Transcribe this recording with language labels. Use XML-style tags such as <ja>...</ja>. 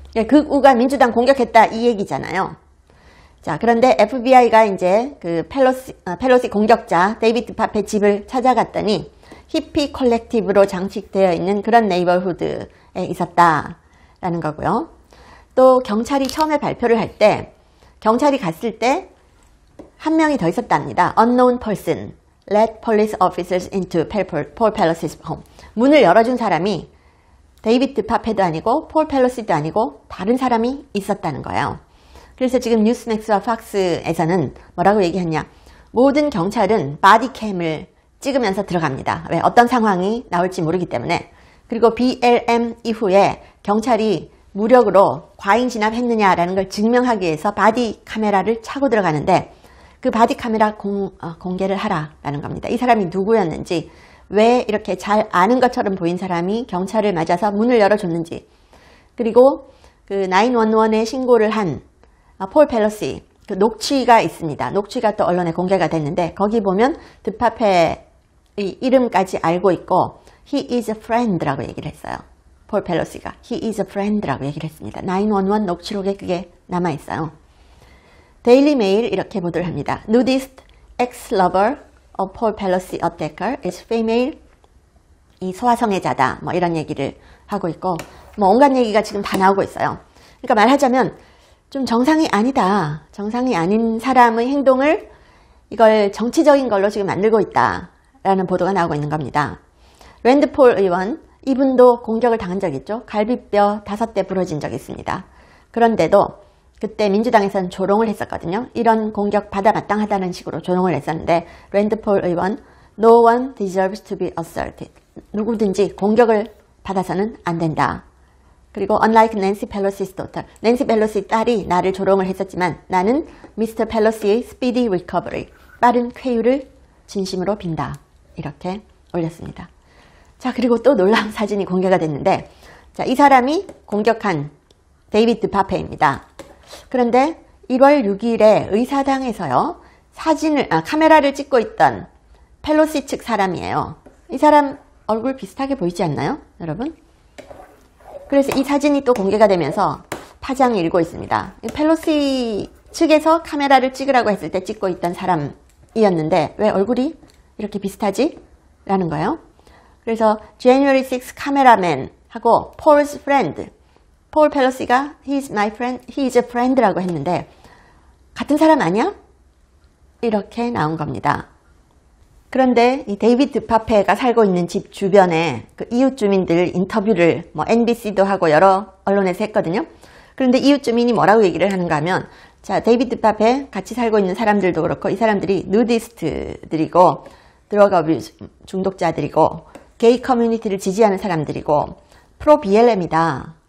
<ko>극우가 민주당 공격했다 이 얘기잖아요. 자, 그런데 FBI가 이제 그 펠로시 공격자 데이비드 파페 집을 찾아갔더니 히피 컬렉티브로 장식되어 있는 그런 네이버후드에 있었다라는 거고요. 또 경찰이 처음에 발표를 할 때 경찰이 갔을 때 한 명이 더 있었답니다.</ko> <en>Unknown person let police officers into Paul Pelosi's home.</en> <ko>문을 열어준 사람이 데이비드 파페도 아니고 폴 펠로시도 아니고 다른 사람이 있었다는 거예요. 그래서 지금 뉴스맥스와 팍스에서는 뭐라고 얘기했냐. 모든 경찰은 바디캠을 찍으면서 들어갑니다. 왜? 어떤 상황이 나올지 모르기 때문에. 그리고 BLM 이후에 경찰이 무력으로 과잉 진압했느냐라는 걸 증명하기 위해서 바디 카메라를 차고 들어가는데 그 바디 카메라 공개를 하라라는 겁니다. 이 사람이 누구였는지, 왜 이렇게 잘 아는 것처럼 보인 사람이 경찰을 맞아서 문을 열어줬는지, 그리고 그 911에 신고를 한 폴 펠로시 그 녹취가 있습니다. 녹취가 또 언론에 공개가 됐는데 거기 보면 드파페의 이름까지 알고 있고</ko> <en>He is a friend</en> <ko>라고 얘기를 했어요. 폴 펠로시가</ko> <en>He is a friend</en> <ko>라고 얘기를 했습니다. 911 녹취록에 그게 남아있어요. 데일리 메일 이렇게 보도를 합니다.</ko> <en>Nudist ex-lover of Paul Pelosi attacker is female.</en> <ko>이 소아성애자다. 뭐 이런 얘기를 하고 있고 뭐 온갖 얘기가 지금 다 나오고 있어요. 그러니까 말하자면 좀 정상이 아니다. 정상이 아닌 사람의 행동을 이걸 정치적인 걸로 지금 만들고 있다라는 보도가 나오고 있는 겁니다. 랜드폴 의원, 이분도 공격을 당한 적 있죠. 갈비뼈 5대 부러진 적 있습니다. 그런데도 그때 민주당에서는 조롱을 했었거든요. 이런 공격 받아 마땅하다는 식으로 조롱을 했었는데, 랜드폴 의원,</ko> <en>No one deserves to be assaulted.</en> <ko>누구든지 공격을 받아서는 안 된다. 그리고</ko> <en>unlike Nancy Pelosi's daughter,</en> <ko>Nancy Pelosi 딸이 나를 조롱을 했었지만 나는 Mr. Pelosi의</ko> <en>speedy recovery,</en> <ko>빠른 쾌유를 진심으로 빈다. 이렇게 올렸습니다. 자, 그리고 또 놀라운 사진이 공개가 됐는데, 자, 이 사람이 공격한 데이비드 파페입니다. 그런데 1월 6일에 의사당에서요, 카메라를 찍고 있던 펠로시 측 사람이에요. 이 사람 얼굴 비슷하게 보이지 않나요, 여러분? 그래서 이 사진이 또 공개가 되면서 파장이 일고 있습니다. 펠로시 측에서 카메라를 찍으라고 했을 때 찍고 있던 사람이었는데 왜 얼굴이 이렇게 비슷하지? 라는 거예요. 그래서 January 6 카메라맨 하고 Paul's friend, Paul Pelosi가</ko> <en>he's my friend, he is a friend</en> <ko>라고 했는데 같은 사람 아니야? 이렇게 나온 겁니다. 그런데 이 데이비드 파페가 살고 있는 집 주변에 그 이웃 주민들 인터뷰를 뭐 NBC도 하고 여러 언론에서 했거든요. 그런데 이웃 주민이 뭐라고 얘기를 하는가 하면, 자, 데이비드 파페 같이 살고 있는 사람들도 그렇고 이 사람들이 누디스트들이고 드러그 어뷰즈 중독자들이고 게이 커뮤니티를 지지하는 사람들이고 프로 BLM이다.</ko>